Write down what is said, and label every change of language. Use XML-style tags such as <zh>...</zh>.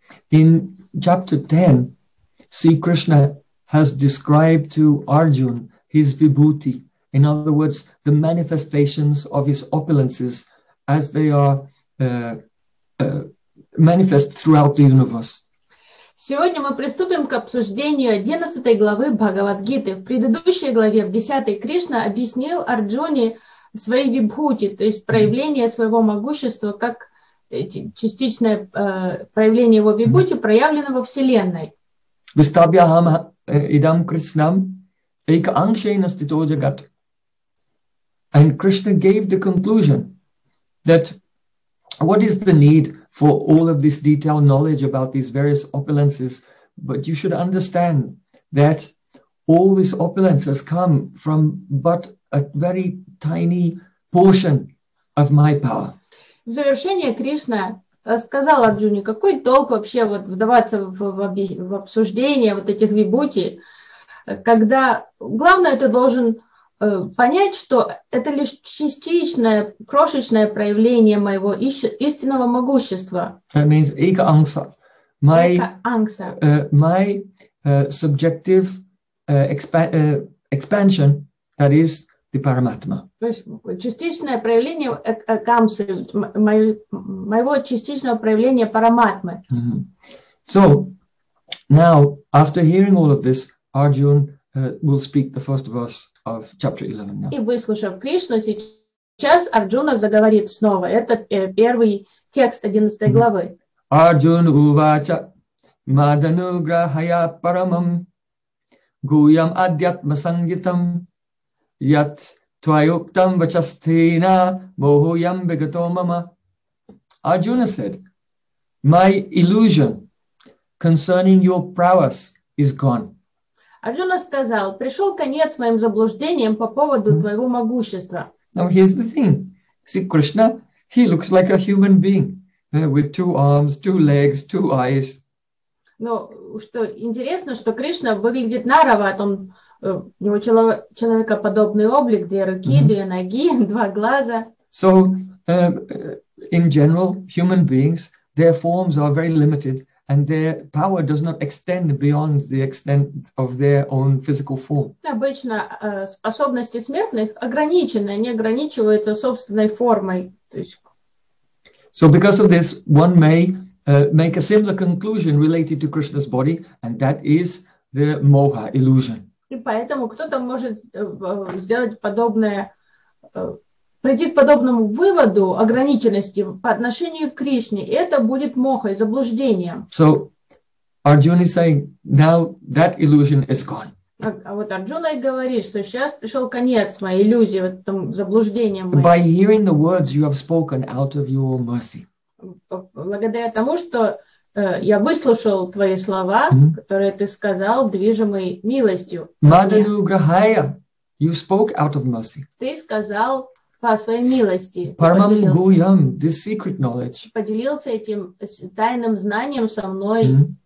<en>In chapter 10, see, Krishna has described to Arjuna his vibhuti, in other words, the manifestations of his opulences as they are manifest throughout the universe.</en> <ru>Сегодня мы приступим к обсуждению 11 главы Бхагавад-гиты. В предыдущей главе, в 10, Кришна объяснил Арджуне свои вибхути, то есть проявление своего могущества, как частичное проявление его вибхути, проявленного Вселенной.</ru> <sa>Вистабьяхам идам Кришнам эйка аншейна стито джагат.</sa> <en>And Krishna gave the conclusion that what is the need for all of this detailed knowledge about these various opulences? But you should understand that all these opulences come from but a very tiny portion of my power.</en> <ru>В завершение Кришна сказал Арджуне, какой толк вообще вот вдаваться в обсуждение вот этих вибхути, когда главное ты должен понять, что это лишь частичное, крошечное проявление моего истинного могущества.</ru> <en>That means ego angsa. My subjective expansion, that is the Paramatma.</en> <ru>Частичное проявление камсы, моего частичного проявления Параматмы.</ru> <en>So, now, after hearing all of this, Arjuna will speak the first verse of chapter 11.</en> <ru>И выслушав Кришну, сейчас Арджуна заговорит снова. Это первый текст 11 главы.</ru> <sa>Арджуна увача мадануграхая парамам гуям адьятма сангитам Yat Twayuktam Vachastina Mohoyam Bigato Mama.</sa> <en>Arjuna said, My illusion concerning your prowess is gone.</en> <ru>Арджуна сказал, пришел конец моим заблуждениям по поводу твоего могущества.</ru> <en>Now here's the thing. See, Krishna, he looks like a human being with two arms, two legs, two eyes.</en> <ru>Но что интересно, что Кришна выглядит нароват. Он, у него человекоподобный облик, две руки, две ноги, два глаза.</ru> <en>So, in general, human beings, their forms are very limited. And their power does not extend beyond the extent of their own physical form.</en> <ru>Обычно способности смертных ограничены, они ограничиваются собственной формой.</ru> <en>So because of this, one may make a similar conclusion related to Krishna's body, and that is the moha illusion.</en> <ru>И поэтому кто-то может сделать подобное, прийти к подобному выводу ограниченности по отношению к Кришне, это будет мохой, заблуждением.</ru> <en>So, Arjuna is saying, now that illusion is gone.</en> <ru>А вот Арджуна и говорит, что сейчас пришел конец моей иллюзии, вот этому заблуждению моей.</ru> <en>By hearing the words you have spoken out of your mercy.</en> <ru>Благодаря тому, что я выслушал твои слова, которые ты сказал, движимой милостью.</ru> <en>Madanu Grahaya, you spoke out of mercy.</en> <ru>Ты сказал по своей милости.</ru> <sa>Парамам гуям,</sa> <en>this secret knowledge.</en> <ru>Поделился этим тайным знанием со мной.</ru>